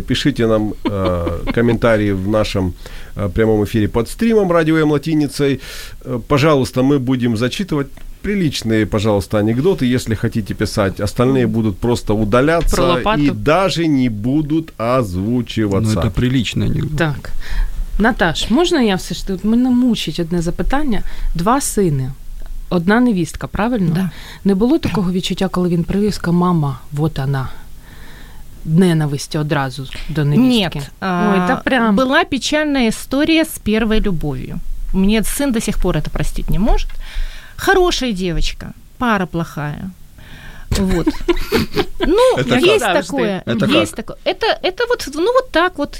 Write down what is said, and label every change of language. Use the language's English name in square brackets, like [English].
[Russian] Пишите нам комментарии в нашем прямом эфире под стримом «Радио М. Латиницей». Пожалуйста, мы будем зачитывать приличные, пожалуйста, анекдоты, если хотите писать. Остальные будут просто удаляться и даже не будут озвучиваться. Ну, это приличный анекдот. Так. Наташ, можно я все ж тут? [Ukrainian] Мене мучить одне запитання. Два сини, одна невістка, правильно? Да. Не було такого відчуття, коли він привіз, каже, мама, [Russian] вот она. [Ukrainian] Ненависть одразу до невістки. [Russian] Нет. Ой, та прям... Была печальная история с первой любовью. Мне сын до сих пор это простить не может. Хорошая девочка, пара плохая. Вот. Ну, есть такое. Есть такое. Это вот, ну, вот так вот.